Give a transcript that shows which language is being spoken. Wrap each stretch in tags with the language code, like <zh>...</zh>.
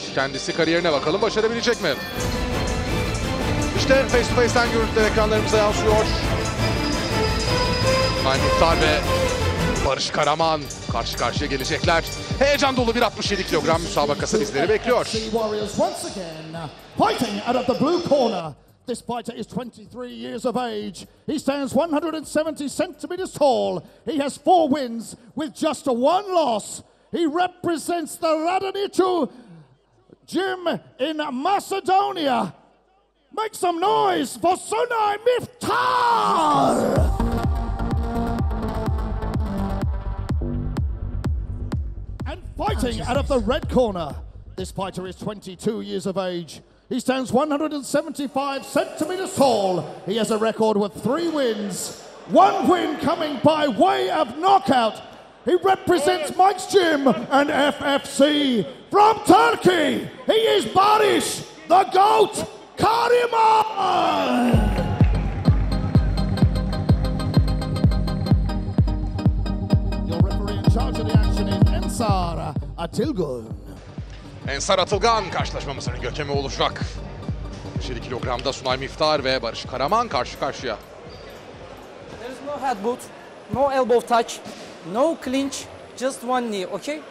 <tr>Kendisi kariyerine bakalım başarabilecek mi? İşte</tr> <en>face to face'ten</en> <tr>görüntüler ekranlarımıza yansıyor. Maymuhtar ve Barış Karaman karşı karşıya gelecekler. Heyecan dolu bir 67 kilogram müsabakası bizleri bekliyor.</tr> <en>Fighting out of the blue corner. This fighter is 23 years of age. He stands 170 centimeters tall. He has 4 wins with just one loss. He represents the Radonjić gym in Macedonia. Make some noise for Sunay Miftah! And fighting out of the red corner, this fighter is 22 years of age. He stands 175 centimeters tall. He has a record with 3 wins. 1 win coming by way of knockout. He represents Mike's Gym and FFC. From Turkey, he is Barış, the GOAT! Karaman! Your referee in charge of the action is Ensar Atılgan.</en> <tr>Ensar Atılgan karşılaşmamızın gökemi olacak. 7 kilogramda Sunay Miftah ve Barış Karaman karşı karşıya.</tr> <en>There is no head boot, no elbow touch, no clinch, just one knee, okay?</en>